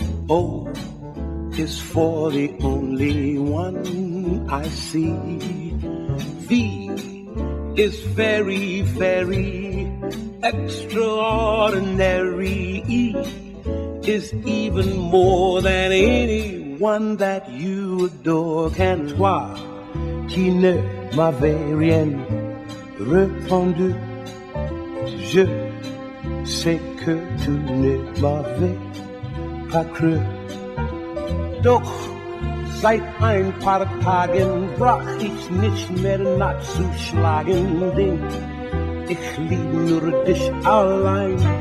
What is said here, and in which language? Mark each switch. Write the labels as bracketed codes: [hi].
[en] O is for the only one I see. V is very, very extraordinary. E is even more than anyone that you adore. [fr] Can toi qui ne m'avais rien répondu, je sais que tu ne m'avais pas cru. [de] Doch seit ein paar Tagen brauch ich nicht mehr nachzuschlagen, denn ich lieb nur dich allein.